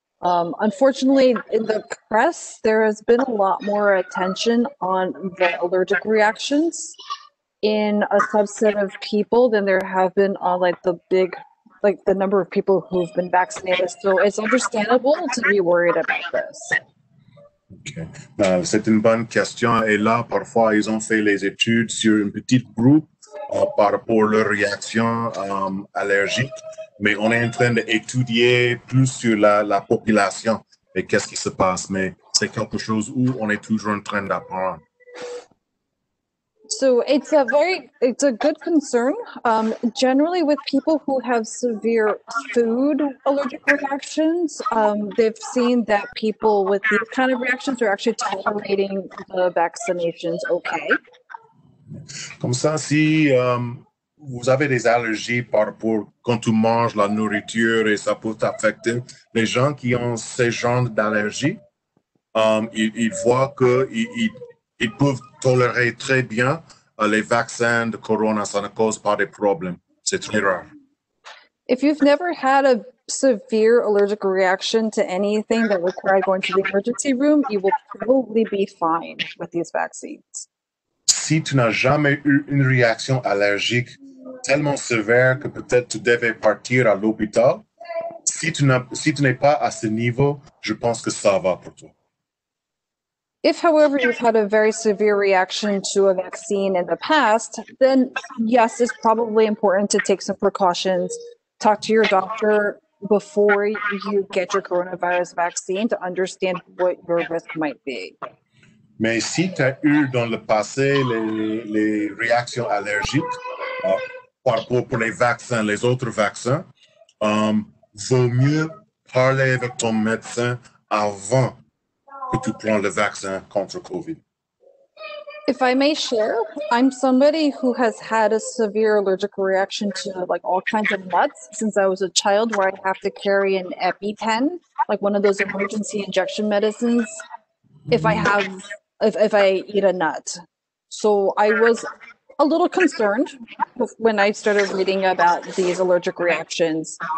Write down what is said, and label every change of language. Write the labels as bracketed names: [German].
[English] Unfortunately, in the press, there has been a lot more attention on the allergic reactions in a subset of people than there have been on the number of people who've been vaccinated. So it's understandable to be worried about this. [French] Okay. C'est une bonne question. Et là, parfois, ils ont fait les études sur un petit groupe par rapport à leur réaction allergique. Mais on est en train d'étudier plus sur la population et qu'est-ce qui se passe. Mais c'est quelque chose où on est toujours en train d'apprendre. [English] So it's a good concern. Generally with people who have severe food allergic reactions, they've seen that people with these kind of reactions are actually tolerating the vaccinations okay. [French] Comme ça, si vous avez des allergies par rapport quand tu manges la nourriture et ça peut t'affecter, les gens qui ont ce genre d'allergie, ils voient qu'ils peuvent tolérer très bien les vaccins de corona, ça ne cause pas de problème. C'est très rare. [English] If you've never had a severe allergic reaction to anything that required going to the emergency room, you will probably be fine with these vaccines. [French] Si tu n'as jamais eu une réaction allergique tellement sévère que peut-être tu devais partir à l'hôpital, si tu n'es pas à ce niveau, je pense que ça va pour toi. [English] If, however, you've had a very severe reaction to a vaccine in the past, then yes, it's probably important to take some precautions, talk to your doctor before you get your coronavirus vaccine to understand what your risk might be. [French] Mais si tu as eu dans le passé les réactions allergiques par rapport pour les vaccins, les autres vaccins, vaut mieux parler avec ton médecin avant que tu prends le vaccin contre COVID. [English] If I may share, I'm somebody who has had a severe allergic reaction to like all kinds of nuts since I was a child, where I have to carry an EpiPen, like one of those emergency injection medicines if I eat a nut. So I was a little concerned when I started reading about these allergic reactions.